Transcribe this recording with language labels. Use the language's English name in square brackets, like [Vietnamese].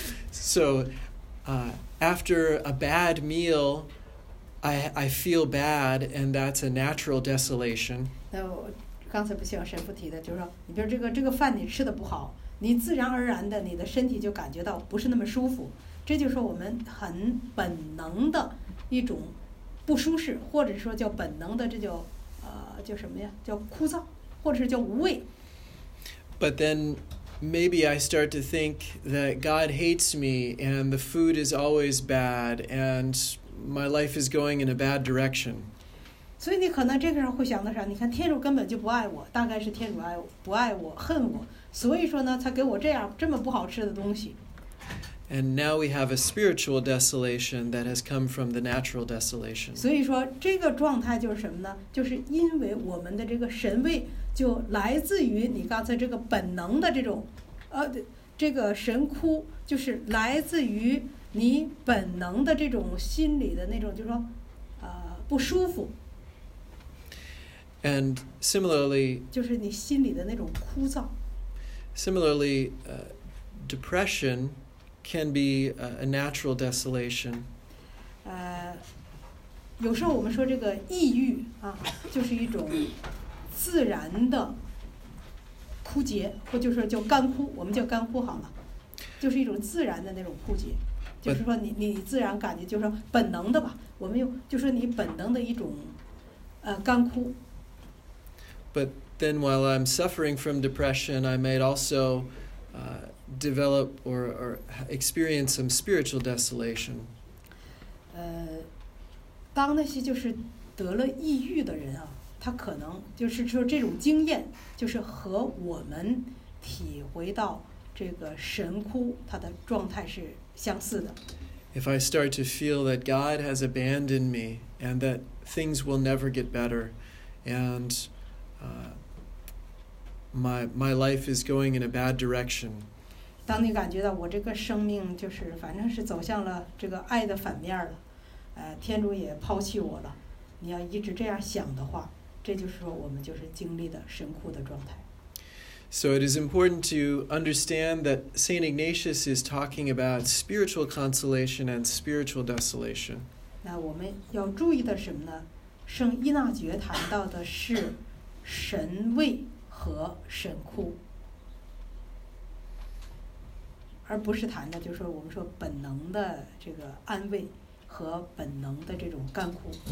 [English] So after a bad meal, I feel bad, and that's a natural desolation. [Chinese] 那我刚才不希望神父提的，就是说你比如这个饭你吃的不好，你自然而然的，你的身体就感觉到不是那么舒服，这就是我们很本能的一种不舒适，或者说叫本能的，这叫什么呀？叫枯燥，或者是叫无味。 [English] But then maybe I start to think that God hates me, and the food is always bad, and my life is going in a bad direction. [Chinese] 所以你可能这个时候会想到啥，你看天主根本就不爱我，大概是天主爱我不爱我恨我，所以说呢才给我这样这么不好吃的东西。 [English] And now we have a spiritual desolation that has come from the natural desolation. [Chinese] 所以说这个状态就是什么呢？就是因为我们的这个神位就来自于你刚才这个本能的这种这个神窟就是来自于你本能的这种心理的那种就是说不舒服。 [English] And similarly, [Chinese] 就是你心里的那种枯燥。 [English] Similarly, depression can be a natural desolation. [Chinese] 有时候我们说这个抑郁啊，就是一种自然的枯竭，或就是叫干枯，我们叫干枯好了，就是一种自然的那种枯竭，就是说你自然感觉就是本能的吧，我们用就是你本能的一种干枯。 [English] But then while I'm suffering from depression, I might also develop or experience some spiritual desolation. [Chinese] 当那些就是得了抑郁的人啊，他可能就是说这种经验就是和我们体会到这个神窟他的状态是相似的。 [English] If I start to feel that God has abandoned me and that things will never get better andMy life is going in a bad direction. [Chinese] 当你感觉到我这个生命就是反正是走向了这个爱的反面了，天主也抛弃我了，你要一直这样想的话，这就是说我们就是经历的神窟的状态。 [English] So it is important to understand that Saint Ignatius is talking about spiritual consolation and spiritual desolation. [Chinese] 那我们要注意的什么呢？圣伊纳爵谈到的是神位和神窟，而不是谈的，就是说我们说本能的这个安慰和本能的这种干枯。